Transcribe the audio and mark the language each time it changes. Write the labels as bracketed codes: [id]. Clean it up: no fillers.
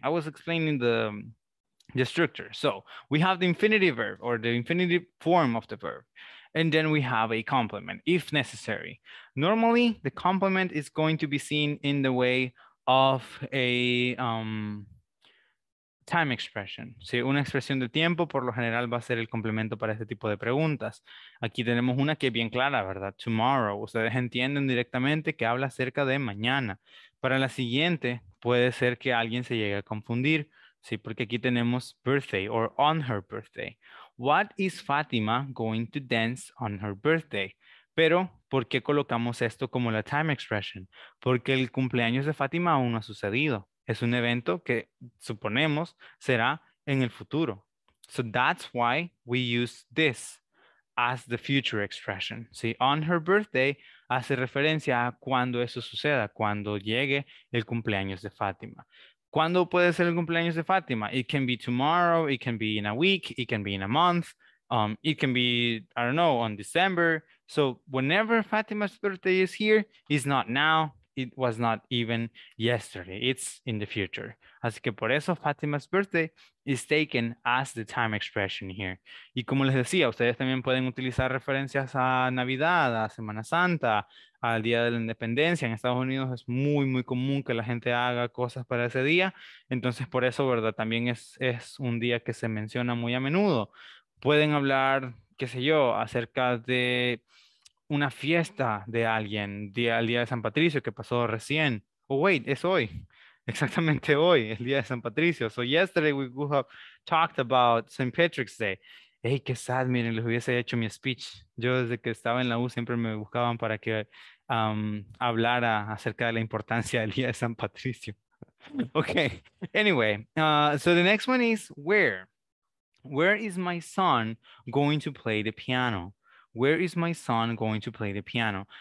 [en] I was explaining the structure. So we have the infinitive verb or the infinitive form of the verb. And then we have a complement if necessary. Normally, the complement is going to be seen in the way of a time expression. [es] Sí, una expresión de tiempo por lo general va a ser el complemento para este tipo de preguntas. Aquí tenemos una que es bien clara, ¿verdad? Tomorrow. Ustedes entienden directamente que habla acerca de mañana. Para la siguiente puede ser que alguien se llegue a confundir. Sí, porque aquí tenemos [en] birthday or on her birthday. What is Fatima going to dance on her birthday? [es] Pero, ¿por qué colocamos esto como la [en] time expression? [es] Porque el cumpleaños de Fátima aún no ha sucedido. Es un evento que suponemos será en el futuro. [en] So that's why we use this as the future expression. [es] ¿Sí? [en] On her birthday [es] hace referencia a cuando eso suceda, cuando llegue el cumpleaños de Fátima. ¿Cuándo puede ser el cumpleaños de Fátima? [en] It can be tomorrow, it can be in a week, it can be in a month, it can be, I don't know, on December. So whenever Fátima's birthday is here, it's not now. It was not even yesterday. It's in the future. [es] Así que por eso [en] Fátima's birthday is taken as the time expression here. [es] Y como les decía, ustedes también pueden utilizar referencias a Navidad, a Semana Santa, al Día de la Independencia. En Estados Unidos es muy, muy común que la gente haga cosas para ese día. Entonces por eso, ¿verdad?, también es un día que se menciona muy a menudo. Pueden hablar, qué sé yo, acerca de una fiesta de alguien, el día de San Patricio que pasó recién. [en] Oh, wait, [es] es hoy. Exactamente hoy, el día de San Patricio. [en] So yesterday we would have talked about St. [es] Patrick's Day. Hey, qué sad, miren, les hubiese hecho mi speech. Yo desde que estaba en la U siempre me buscaban para que hablara acerca de la importancia del día de San Patricio. [en] Okay, anyway, so the next one is where. Where is my son going to play the piano? Where is my son going to play the piano?